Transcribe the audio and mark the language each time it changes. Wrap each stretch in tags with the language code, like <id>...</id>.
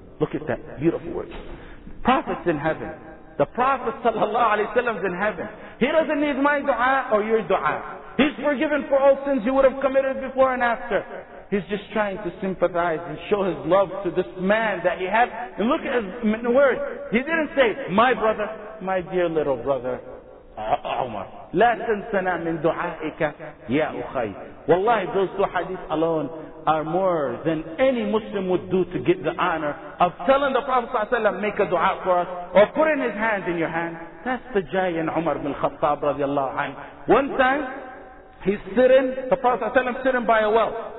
<en>Look at that beautiful words. Prophet's in heaven. The Prophet sallallahu alayhi wa sallam is in heaven. He doesn't need my dua or your dua. He's forgiven for all sins you would have committed before and after. He's just trying to sympathize and show his love to this man that he had. And look at his words. He didn't say, my brother, my dear little brother.</en> <ar>عمر لا تنسنا من دعائك يا أخي.</ar> <en>والله those two hadith alone are more than any Muslim would do to get the honor of telling the Prophet</en> <ar>صلى الله عليه وسلم</ar> <en>make a dua for us or putting his hand in your hand. That's the giant Umar bin Khattab</en> <ar>رضي الله عنه.</ar> <en>One time he's sitting, the Prophet</en> <ar>صلى الله عليه وسلم</ar> <en>sitting by a well.</en>